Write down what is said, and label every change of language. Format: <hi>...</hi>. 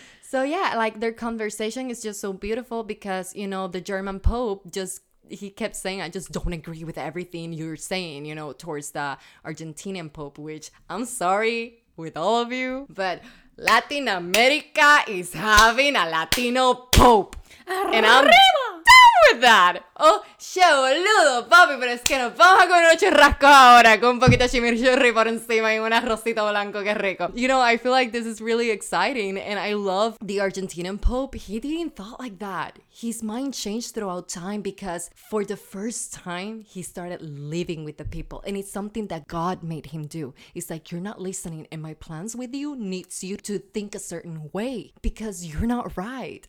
<en>So yeah, like their conversation is just so beautiful, because, you know, the German Pope just, he kept saying, I just don't agree with everything you're saying, you know, towards the Argentinian Pope, which I'm sorry with all of you, but Latin America is having a Latino Pope. And I'm done with that.</en> <es>Oh, che boludo, papi, pero es que nos vamos a comer un churrasco ahora con un poquito de chimichurri por encima y un arrocito blanco, que rico.</es> <en>You know, I feel like this is really exciting, and I love the Argentinian Pope. He didn't thought like that. His mind changed throughout time, because for the first time, he started living with the people. And it's something that God made him do. It's like, you're not listening, and my plans with you needs you to think a certain way, because you're not right.</en>